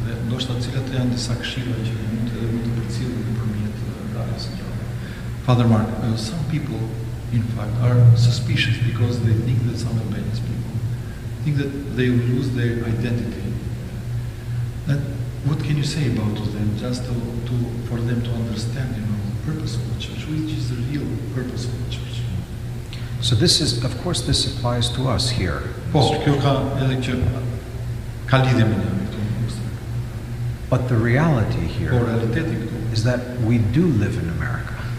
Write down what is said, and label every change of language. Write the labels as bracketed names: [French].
[Albanian] Ndoshta cilat janë disa këshilla që mund të përcjellim nëpërmjet radios. [English] Father Mark, some people in fact are suspicious because they think that some Albanian people think that they will lose their identity. That, what can you say about them just to for them to understand, you know, the purpose of the church, which is the real purpose of the church? So this is, of course, this applies to us here. [Albanian] Po, kjo ka edhe që ka lidhje me ne. [English] But the reality here is that we do live in America.